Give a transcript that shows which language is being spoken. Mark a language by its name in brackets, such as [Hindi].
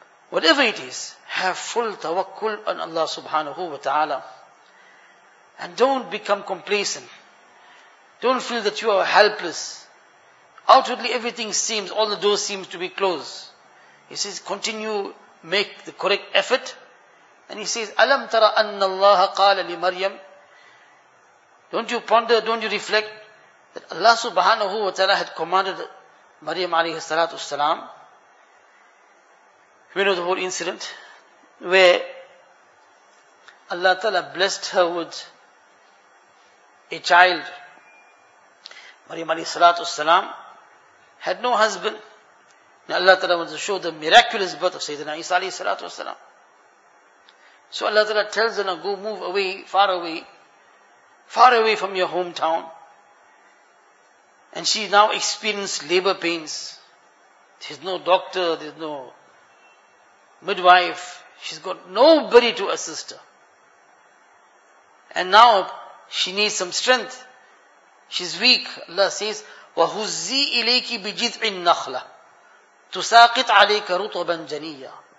[English] Whatever it is, have full tawakkul on Allah subhanahu wa ta'ala. And don't become complacent. Don't feel that you are helpless. Outwardly everything seems, all the doors seem to be closed. He says, continue, make the correct effort. And he says, [Arabic] أَلَمْ تَرَ أَنَّ اللَّهَ قَالَ لِمَرْيَمْ. [English] Don't you ponder, don't you reflect, that Allah subhanahu wa ta'ala had commanded Maryam alayhi salatu salam. We know the whole incident where Allah ta'ala blessed her with a child. Maryam alayhi salatu salam had no husband. Now Allah Ta'ala wants to show the miraculous birth of Sayyidina Isa alayhi salatu wasalam. So Allah Ta'ala tells them, go move away, far away, far away from your hometown. And she now experienced labor pains. There's no doctor, there's no midwife. She's got nobody to assist her. And now she needs some strength. She's weak. Allah says, [Arabic] وَهُزِّي إِلَيْكِ بِجِذْعِ النَّخْلَةِ تُسَاقِطْ عَلَيْكَ رُطَبًا جَنِيًّا.